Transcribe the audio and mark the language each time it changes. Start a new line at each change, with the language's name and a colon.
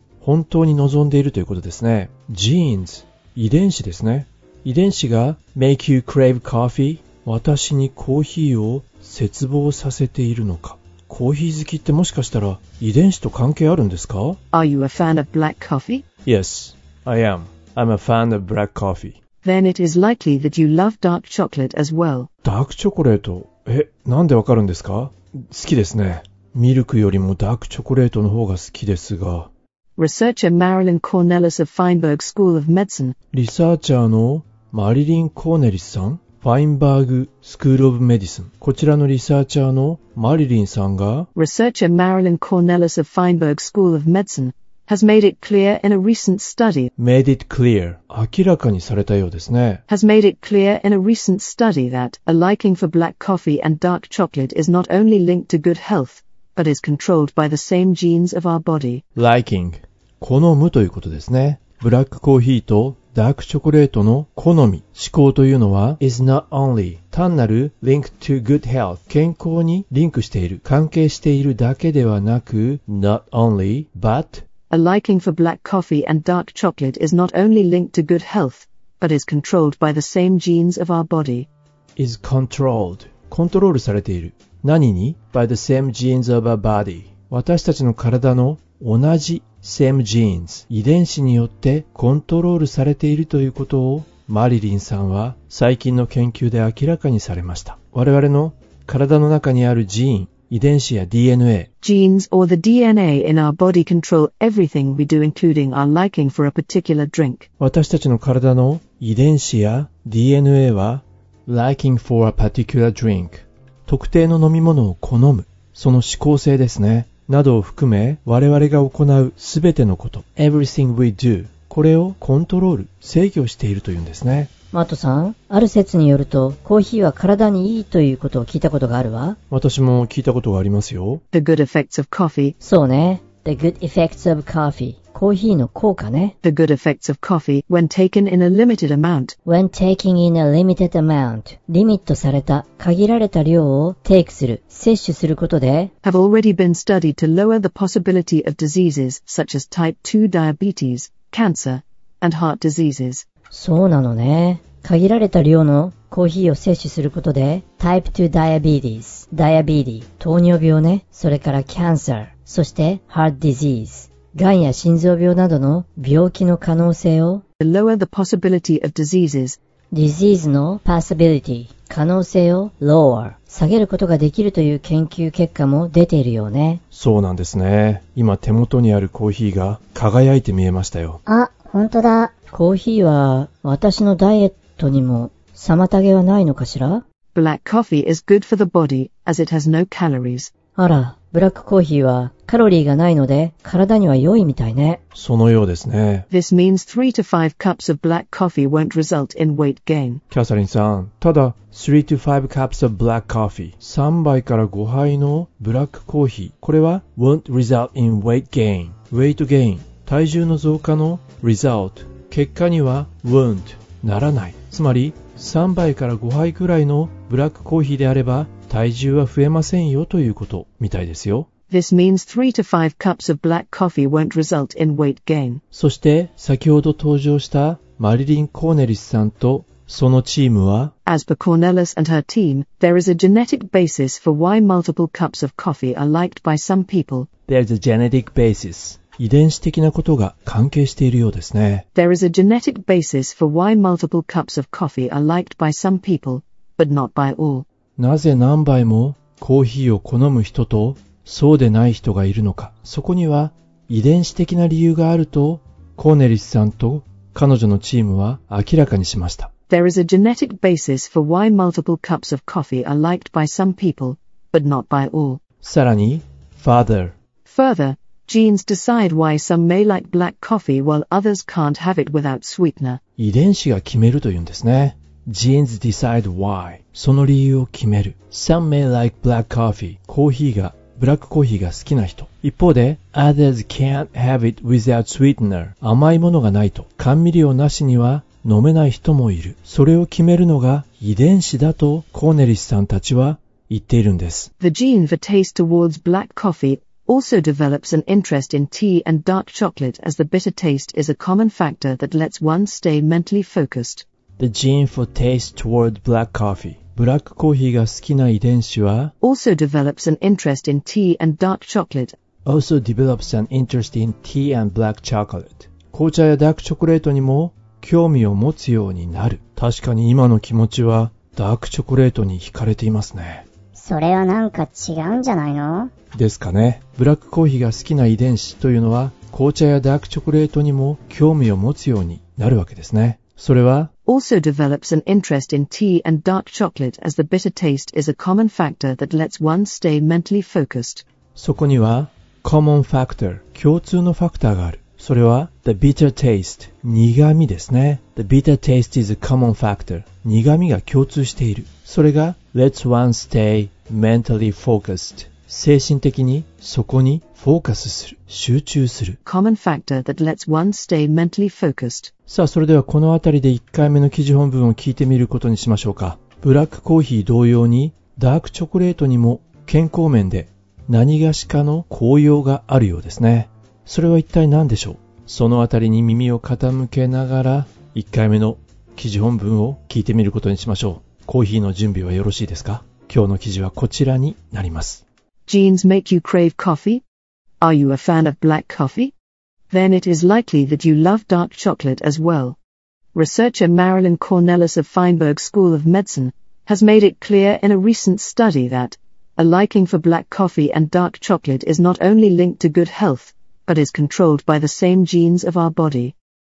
Japanese: 本当に望んでいるということですね。 Jeans。 遺伝子ですね。遺伝子が
English: make you crave coffee?
Japanese: 私にコーヒーを切望させているのか。コーヒー好きってもしかしたら遺伝子と関係あるんですか?
English: Are you a fan of black coffee? Yes, I am. I'm a fan of black coffee. Then it is likely that you love dark chocolate as well.
Japanese: ダークチョコレート。え、なんでわかるんですか?好きですね。ミルクよりもダークチョコレートの方が好きですが。
English: Researcher Marilyn Cornelis of Feinberg School of Medicine.
Japanese: リサーチャーのマリリン・コーネリスさん。ファインバーグ・スクール・オブ・メディスン。こちらのリサーチャーのマリリンさんが。
English: Researcher Marilyn Cornelis of Feinberg School of Medicine. Has made it clear in a recent study. Made it clear.
Japanese: 明らかにされたようですね。
English: Has made it clear in a recent study that a liking for black coffee and dark chocolate is not only linked to good health, but is controlled by the same genes of our body. Liking.
Japanese: 好むということですね。ブラックコーヒーとダークチョコレートの好み、嗜好というのは
English: is not only
Japanese: 単なる
English: linked to good health
Japanese: 健康にリンクしている、関係しているだけではなく
English: not only, but A liking for black coffee and dark chocolate is not only linked to good health, but is controlled by the same genes of our body. Is controlled.
Japanese: コントロールされている。何に?
English: By the same genes of our body.
Japanese: 私たちの体の同じ
English: same genes.
Japanese: 遺伝子によってコントロールされているということをマリリンさんは最近の研究で明らかにされました。我々の体の中にあるジーン、遺伝子や DNA。
English: Genes or the DNA in our body control everything we do including our liking for a particular drink.
Japanese: 私たちの体の遺伝子や DNA は
English: liking for a particular drink.
Japanese: 特定の飲み物を好む。その嗜好性ですね。などを含め我々が行うすべてのこと。
English: Everything we do.
Japanese: これをコントロール、制御しているというんですね。マートさん、ある説によるとコーヒーは体にいいということを聞いたことがあるわ。私も聞いたことがありますよ。
English: The good effects of coffee.
Japanese: そうね。
English: The good effects of coffee.
Japanese: コーヒーの効果ね。
English: The good effects of coffee when taken in a limited amount. When taking in a limited amount.
Japanese: リミットされた、限られた量をテイクする、摂取することで
English: Have already been studied to lower the possibility of diseases such as type 2 diabetes, cancer, and heart diseases.
Japanese: そうなのね。限られた量のコーヒーを摂取することで、
English: type 2 diabetes、diabetes、
Japanese: 糖尿病ね。それから cancer、そして heart disease、癌や心臓病などの病気の可能性を、
English: lower the possibility of diseases、
Japanese: disease の possibility、可能性を lower、下げることができるという研究結果も出ているようね。そうなんですね。今手元にあるコーヒーが輝いて見えましたよ。あ、本当だ。コーヒーは私のダイエットにも妨げはないのかしら?
English: Black coffee is good for the body as it has no calories.
Japanese: あら、ブラックコーヒーはカロリーがないので体には良いみたいね。そのようですね。
English: This means 3 to 5 cups of black coffee won't result in weight gain.
Japanese: キャサリンさん、ただ
English: 3 to 5 cups of black coffee
Japanese: 3杯から5杯のブラックコーヒー、これは
English: won't result in weight gain. Weight gain
Japanese: 体重の増加の result結果には won't ならない。つまり3杯から5杯くらいのブラックコーヒーであれば体重は増えませんよということみたいですよ。
English: This means 3 to 5 cups of black coffee won't result in weight gain.
Japanese: そして先ほど登場したマリリン・コーネリスさんとそのチームは
English: As per Cornelis and her team, there is a genetic basis for why multiple cups of coffee are liked by some people. There's a genetic basis.
Japanese: 遺伝子的なことが関係しているようですね。
English: There is a genetic basis for why multiple cups of coffee are liked by some people, but not by all.
Japanese: なぜ何杯もコーヒーを好む人とそうでない人がいるのか。そこには遺伝子的な理由があるとコーネリスさんと彼女のチームは明らかにしました。
English: There is a genetic basis for why multiple cups of coffee are liked by some people, but not by all.
Japanese: さらに、further.
English: Further, genes decide why some may like black coffee while others can't have it without sweetener.
Japanese: 遺伝子が決めるというんですね。
English: Genes decide why.
Japanese: その理由を決める。
English: Some may like black coffee.
Japanese: コーヒーが、ブラックコーヒーが好きな人。一方で、
English: others can't have it without sweetener.
Japanese: 甘いものがないと。甘味料なしには飲めない人もいる。それを決めるのが遺伝子だとコーネリスさんたちは言っているんです。
English: The gene for taste towards black coffee also develops an interest in tea and dark chocolate as the bitter taste is a common factor that lets one stay mentally focused. The gene for taste toward black coffee.
Japanese: ブラックコーヒーが好きな遺伝子は
English: also develops an interest in tea and dark chocolate. Also develops an interest in tea and black chocolate.
Japanese: 紅茶やダークチョコレートにも興味を持つようになる。確かに今の気持ちはダークチョコレートに惹かれていますね。それはなんか違うんじゃないの？ですかね。ブラックコーヒーが好きな遺伝子というのは紅茶やダークチョコレートにも興味を持つようになるわけですね。それは
English: Also develops an interest in tea and dark chocolate as the bitter taste is a common factor that lets one stay mentally focused.
Japanese: そこには
English: common factor
Japanese: 共通のファクターがある。それは
English: the bitter taste
Japanese: 苦味ですね。
English: The bitter taste is a common factor
Japanese: 苦味が共通している。それが
English: lets one stay mentally focused
Japanese: 精神的にそこにフォーカスする。集中する。
English: Common factor that lets one stay mentally focused.
Japanese: さあ、それではこのあたりで1回目の記事本文を聞いてみることにしましょうか。ブラックコーヒー同様に、ダークチョコレートにも健康面で何がしかの効用があるようですね。それは一体何でしょう？そのあたりに耳を傾けながら、1回目の記事本文を聞いてみることにしましょう。コーヒーの準備はよろしいですか？今日の記事はこちらになります。
English: Genes make you crave coffee? Are you a fan of black coffee? Then it is likely that you love dark chocolate as well. Researcher Marilyn Cornelis of Feinberg School of Medicine has made it clear in a recent study that a liking for black coffee and dark chocolate is not only linked to good health, but is controlled by the same genes of our body.